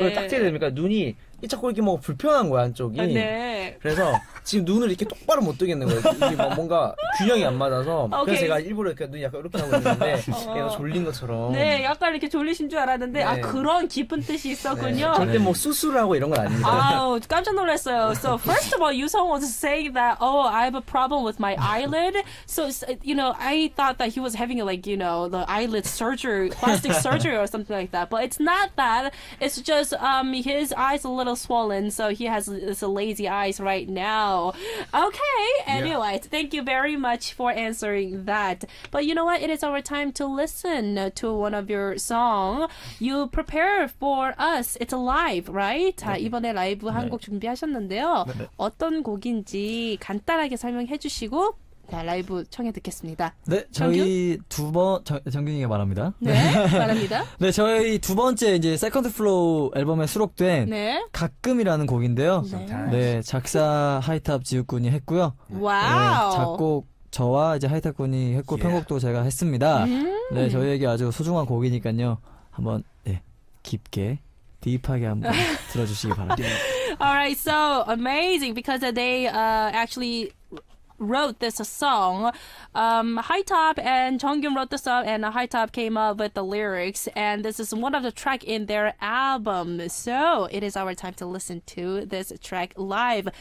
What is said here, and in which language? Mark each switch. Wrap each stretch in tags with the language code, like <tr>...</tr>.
<ko>그 짝짝이 되니까 눈이 자꾸 이렇게 뭐 불편한 거야 한쪽이. 네. 그래서 지금 눈을 이렇게 똑바로 못 뜨겠는 거예요. 이게 뭔가 균형이 안 맞아서. 오케이. 그래서 제가 일부러 이렇게 눈이 약간 이렇게 하고 있는데 얘가 졸린 것처럼. 네, 약간 이렇게 졸리신 줄 알았는데. 네. 아 그런 깊은 뜻이 있었군요. 네. 절대 뭐 수술하고 이런 건 아닙니다. 아우 깜짝 놀랐어요.</ko> <en>So first of all, Yusong was saying that, oh, I have a problem with my eyelid. So you know, I thought that he was having like you know the eyelid surgery, plastic surgery or something like that. But it's not that. It's just his eyes a little swollen, so he has this lazy eyes right now. Okay, anyway, yeah. Thank you very much for answering that. But you know what? It is our time to listen to one of your songs. You prepare for us. It's a live, right?</en> <ko>네. 이번에 라이브 한 곡 네. 준비하셨는데요. 네. 어떤 곡인지 간단하게 설명해 주시고 자, 라이브 청해 듣겠습니다. 네, 저희 두 번, 정균이가 말합니다. 네, 말합니다. 네, 저희 두 번째 이제 세컨드 플로우 앨범에 수록된 네. 가끔이라는 곡인데요. 네, 네 작사 하이탑 지우군이 했고요. 와우. 네, 작곡 저와 이제 하이탑군이 했고</ko> <en>yeah.</en> <ko>편곡도 제가 했습니다. 네, 저희에게 아주 소중한 곡이니까요. 한번 네, 깊게 딥하게 한번 들어주시기 바랍니다.</ko> <en>Alright, so amazing because they actually wrote this song. High Top and Jeongkyun wrote the song and High Top came up with the lyrics and this is one of the track in their album. So it is our time to listen to this track live.</en>